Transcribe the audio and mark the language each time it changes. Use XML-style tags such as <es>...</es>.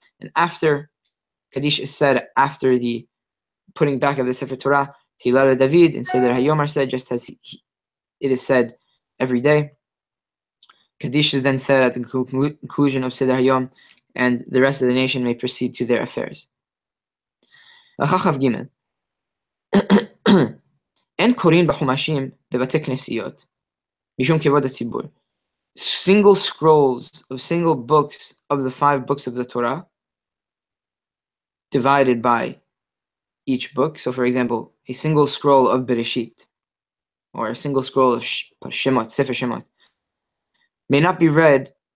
<en>And after קדיש is said, after the putting back of the Sefer Torah, תהילה לדוד and סדר היום are said, just as it is said every day. קדיש is then said at the conclusion of סדר היום, and the rest of the nation may proceed to their affairs.</en> <he>וחכב ג' אין קוראים בחומשים בבתי כנסיות.</he> <en>Single scrolls of single books of the five books of the Torah divided by each book. So for example, a single scroll of Bereshit or a single scroll of Shemot, Sefer Shemot may not be read.</en>